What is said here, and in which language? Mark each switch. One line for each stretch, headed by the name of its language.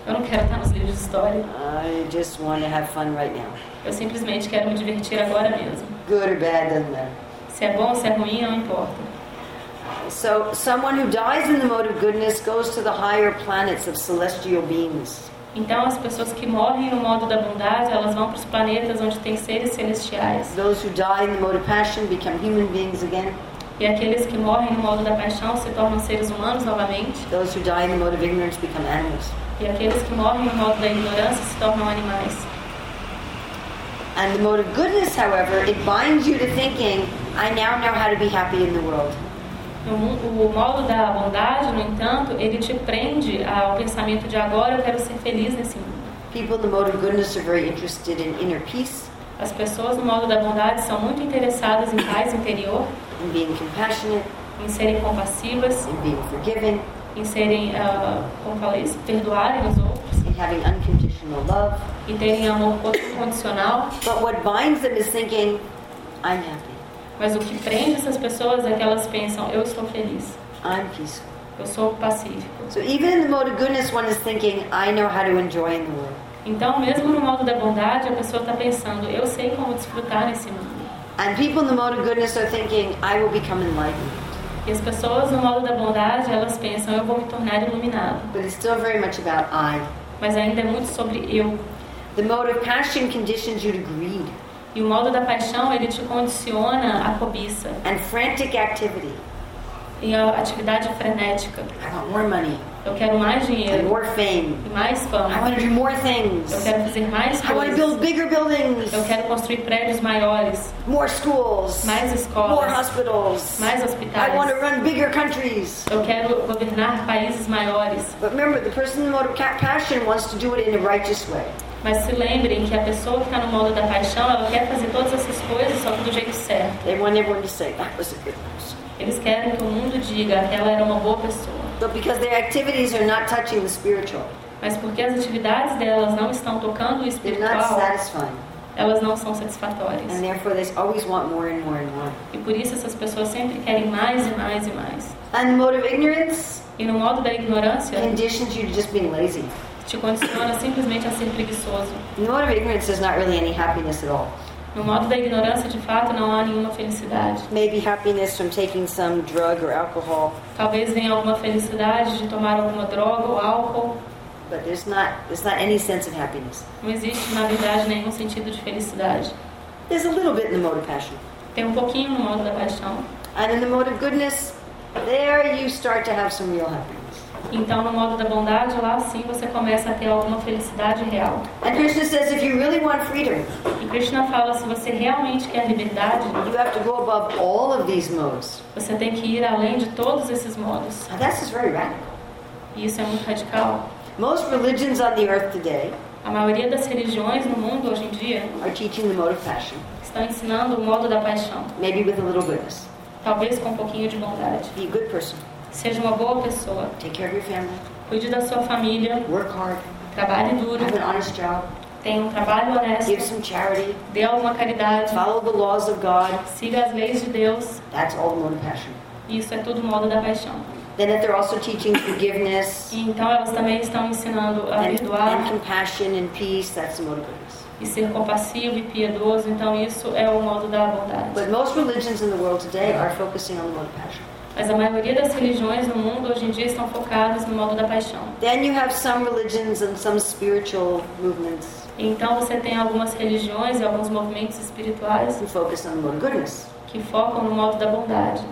Portuguese: Eu não quero estar nos livros de história.
English: I just want to have fun right now.
Portuguese: Eu simplesmente quero me divertir agora mesmo.
English: Good or bad doesn't matter.
Portuguese: Se é bom ou se é ruim, não importa.
English: So, someone who dies in the mode of goodness goes to the higher planets of celestial beings.
Portuguese: Então, as pessoas que morrem no modo da bondade, elas vão para os planetas onde tem seres celestiais.
English: Those who die in the mode of passion become human beings again.
Portuguese: E aqueles que morrem no modo da paixão se tornam seres humanos novamente.
English: Those who die in the mode of ignorance become animals.
Portuguese: E aqueles que morrem no modo da ignorância se tornam animais.
English: And the mode of goodness, however, it binds you to thinking, I now know how to be happy in the world.
Portuguese: O modo da bondade, no entanto, ele te prende ao pensamento de agora eu quero ser feliz nesse mundo.
English: People in the mode of goodness are very interested in inner peace.
Portuguese: As pessoas no modo da bondade são muito interessadas em paz interior.
English: In being compassionate,
Portuguese: em serem compassivas,
English: in being forgiving,
Portuguese: em serem, como falei, perdoarem os outros,
English: in having unconditional love,
Portuguese: em terem amor incondicional.
English: But what binds them is thinking, I'm happy.
Portuguese: Mas o que prende essas pessoas é que elas pensam, eu estou feliz.
English: I'm peaceful.
Portuguese: Eu sou pacífico.
English: So even in the mode of goodness, one is thinking, I know how to enjoy in the world.
Portuguese: Então, mesmo no modo da bondade, a pessoa está pensando, eu sei como desfrutar nesse mundo.
English: And people in the mode of goodness are thinking, I will become enlightened.
Portuguese: E as pessoas no modo da bondade, elas pensam, eu vou me tornar iluminado.
English: But it's still very much about I.
Portuguese: Mas ainda é muito sobre eu.
English: The mode of passion conditions you to greed.
Portuguese: E o modo da paixão, ele te condiciona à cobiça.
English: And frantic activity.
Portuguese: E a atividade frenética.
English: I want more money.
Portuguese: Eu quero mais dinheiro.
English: And more fame.
Portuguese: E mais fama.
English: I want to do more things.
Portuguese: Eu quero fazer mais coisas.
English: I want to build bigger buildings.
Portuguese: Eu quero construir prédios maiores.
English: More schools.
Portuguese: Mais escolas.
English: More hospitals.
Portuguese: Mais hospitais.
English: I want to run bigger countries.
Portuguese: Eu quero governar países maiores.
English: But remember, the person in the mode of passion wants to do it in a righteous way.
Portuguese: Mas se lembrem que a pessoa que está no modo da paixão, ela quer fazer todas essas coisas só que do jeito certo.
English: They want everyone to say that was a good person.
Portuguese: Eles querem que o mundo diga que ela era uma boa pessoa.
English: But because their activities are not touching the spiritual.
Portuguese: Mas porque as atividades delas não estão tocando o espiritual.
English: They're not satisfying.
Portuguese: Elas não são satisfatórias.
English: And therefore they always want more and more and more.
Portuguese: E por isso essas pessoas sempre querem mais e mais e mais.
English: And the mode of ignorance.
Portuguese: E no modo da ignorância.
English: Conditions you to just being lazy.
Portuguese: Te condiciona simplesmente a ser preguiçoso.
English: The mode of ignorance is not really any happiness at all.
Portuguese: No modo da ignorância, de fato, não há nenhuma felicidade.
English: Maybe happiness from taking some drug or alcohol.
Portuguese: Talvez venha alguma felicidade de tomar alguma droga ou álcool.
English: But there's not any sense of happiness.
Portuguese: Não existe, na verdade, nenhum sentido de felicidade.
English: There's a little bit in the mode of passion.
Portuguese: Tem um pouquinho no modo da paixão.
English: And in the mode of goodness, there you start to have some real happiness.
Portuguese: Então, no modo da bondade, lá sim você começa a ter alguma felicidade real.
English: And Krishna says, if you really want freedom,
Portuguese: e Krishna fala, se você realmente quer liberdade,
English: you have to go above all of these modes.
Portuguese: Você tem que ir além de todos esses modos.
English: Now, this is very radical.
Portuguese: E isso é muito radical.
English: Most religions on the earth today,
Portuguese: a maioria das religiões no mundo hoje em dia,
English: are teaching the mode of passion.
Portuguese: Estão ensinando o modo da paixão.
English: Maybe with a little goodness.
Portuguese: Talvez com um pouquinho de bondade.
English: Be a good person.
Portuguese: Seja uma boa pessoa.
English: Take care of your family.
Portuguese: Cuide da sua família.
English: Work hard.
Portuguese: Trabalhe duro.
English: Have an honest job.
Portuguese: Tenha um trabalho honesto.
English: Give some charity.
Portuguese: Dê alguma caridade.
English: Follow the laws of God.
Portuguese: Siga as leis de Deus.
English: That's all the mode of passion.
Portuguese: Isso é tudo modo da paixão.
English: Then that they're also teaching forgiveness.
Portuguese: Então elas também estão ensinando a perdoar.
English: And compassion and peace. That's the mode of goodness.
Portuguese: E ser compassivo e piedoso. Então isso é o modo da bondade.
English: But most religions in the world today are focusing on the mode of passion.
Portuguese: Mas a maioria das religiões no mundo hoje em dia estão focadas no modo da paixão.
English: Then you have some religions and some spiritual movements.
Portuguese: Então você tem algumas religiões e alguns movimentos espirituais que focam no modo da bondade.